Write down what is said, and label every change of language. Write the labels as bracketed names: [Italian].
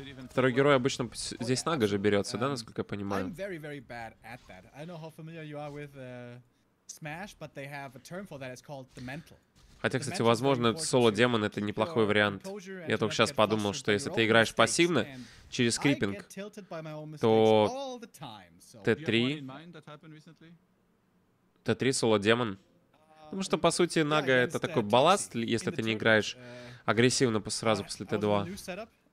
[Russian] Второй герой обычно здесь Нага же берется, да, насколько я понимаю? [English] I'm very, very bad at that. I know how familiar you are with Smash, but they have a term for that, it's called the mental. [Russian] Хотя, кстати, возможно, соло-демон — это неплохой вариант. Я только сейчас подумал, что если ты играешь пассивно через крипинг, то Т3 соло-демон. Потому что, по сути, Нага — это такой балласт, если ты не играешь агрессивно сразу после Т2.